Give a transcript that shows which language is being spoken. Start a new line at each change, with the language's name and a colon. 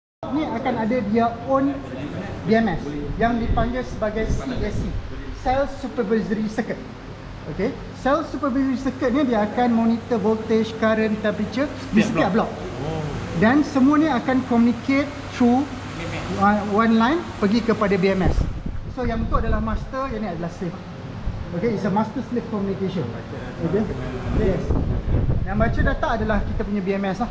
Malay: Ini akan ada dia own BMS yang dipanggil sebagai CSC, Cell Supervisory Circuit. Okay, Cell Supervisory Circuit ni dia akan monitor voltage, current, temperature di setiap blok. Dan semua ni akan
English: communicate through one line
Malay: pergi kepada BMS. So yang tu adalah master, yang ni adalah slave.
English: Okay, it's a master slave communication. Okay, yes.
Malay: Yang baca data adalah kita punya BMS lah.